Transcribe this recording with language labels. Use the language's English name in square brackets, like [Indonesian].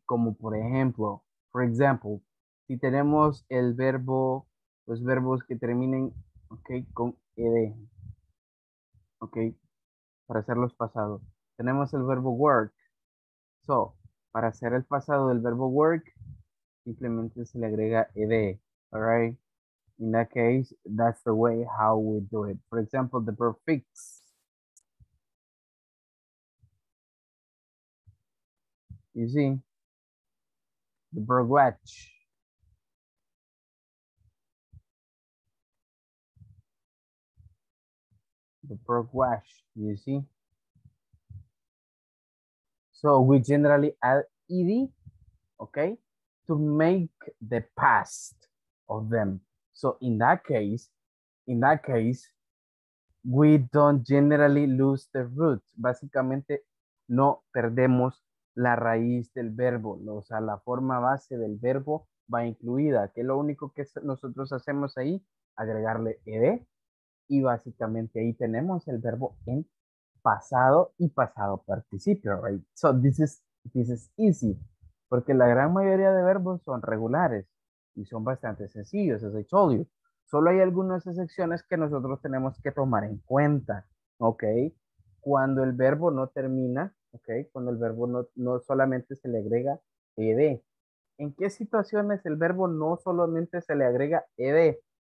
[Spanish] Como por ejemplo, [English] for example, [Spanish] si tenemos el verbo, los verbos que terminen, ¿ok? Con ed, Ok. Para hacer los pasados. Tenemos el verbo work. So, para hacer el pasado del verbo work, simplemente se le agrega ed. [English] Alright. In that case, that's the way how we do it. For example, the prefix. You see? The verb watch. The verb watch, you see? So we generally add ed, okay, to make the past of them. So in that case, we don't generally lose the root. [Spanish] Básicamente, no perdemos la raíz del verbo. O sea, la forma base del verbo va incluida. Que lo único que nosotros hacemos ahí, agregarle ed. Y básicamente ahí tenemos el verbo en pasado y pasado participio, right? [English] So this is easy. [Spanish] Porque la gran mayoría de verbos son regulares. Y son bastante sencillos, [English] as I told you. [Spanish] Solo hay algunas excepciones que nosotros tenemos que tomar en cuenta. Ok. Cuando el verbo no termina, ok. Cuando el verbo no solamente se le agrega ed. ¿En qué situaciones el verbo no solamente se le agrega ed?